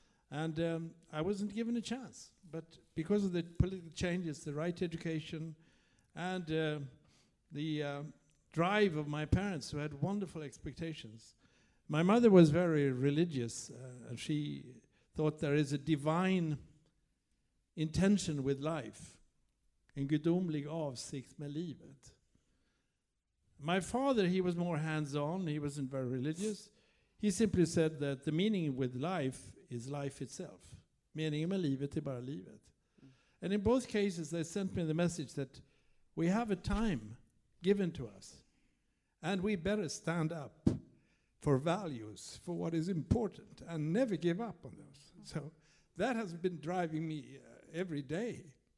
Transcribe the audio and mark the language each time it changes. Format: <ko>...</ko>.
<en>And I wasn't given a chance. But because of the political changes, the right education, and the drive of my parents, who had wonderful expectations. My mother was very religious. She thought there is a divine intention with life.</en> <sv>En gudomlig avsikt med livet.</sv> <en>My father, he was more hands-on. He wasn't very religious. He simply said that the meaning with life is life itself.</en> <sv>Meningen med livet är bara livet.</sv> <en>And in both cases, they sent me the message that we have a time given to us, and we better stand up for values, for what is important, and never give up on those. So that has been driving me every day.</en>